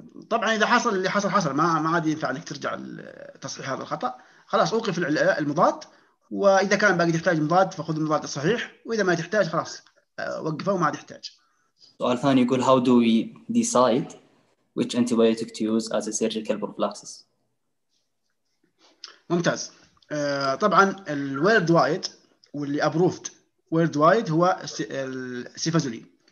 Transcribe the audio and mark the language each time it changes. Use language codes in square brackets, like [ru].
[ar] طبعا اذا حصل اللي حصل حصل، ما عاد ينفع انك ترجع تصحيح هذا الخطا، خلاص اوقف المضاد، واذا كان باقي تحتاج مضاد فخذ المضاد الصحيح، واذا ما تحتاج خلاص وقفه وما عاد يحتاج. سؤال ثاني يقول [en] how do we decide which antibiotic to use as a surgical prophylaxis؟ [ar] ممتاز. طبعا الورد وايد واللي ابروفد ورد وايد هو السيفازولين.